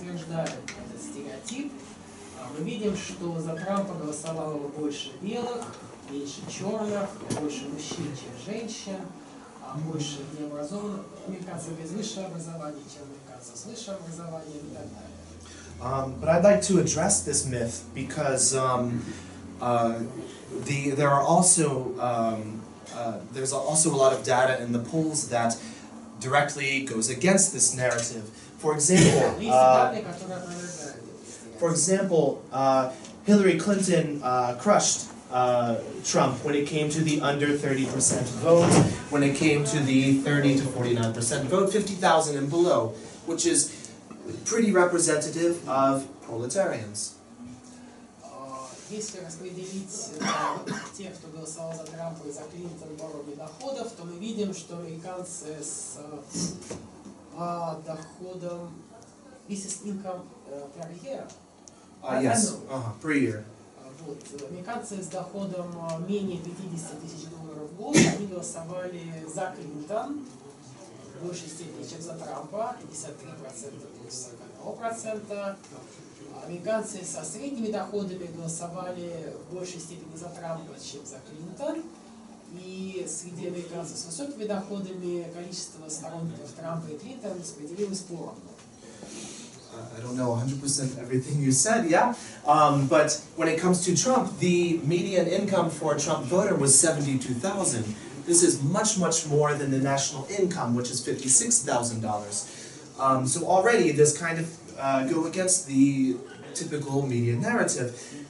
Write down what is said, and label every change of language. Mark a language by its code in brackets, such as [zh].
[ru] Мы видим, что за Трампа голосовало больше белых, меньше черных, больше мужчин, чем женщин, больше необразованных американцев без высшего образования, чем американцев с высшим образованием и так далее. [en] But I'd like to address this myth because there are also there's also a lot of data in the polls that directly goes against this narrative. For example, Hillary Clinton crushed Trump when it came to the under 30% vote, when it came to the 30 to 49% vote, 50,000 and below, which is pretty representative of proletarians. [ru] Если распределить тех, кто голосовал за Трампа и за Клинтон по уровню доходов, то мы видим, что американцы с доходом [en] business income per year. Yes, per year. [ru] Вот. Американцы с доходом менее 50 тысяч долларов в год, они голосовали за Клинтон в большей степени, чем за Трампа, 53% плюс 41%. Американцы со средними доходами голосовали в большей степени за Трампа, чем за Клинтон. И среди американцев с высокими доходами количество сторонников Трампа и Клинтон распределилось поровну. [en] I don't know 100% everything you said, yeah. But when it comes to Trump, the median income for a Trump voter was 72,000. This is much, much more than the national income, which is $56,000. So already this kind of go against the typical media narrative.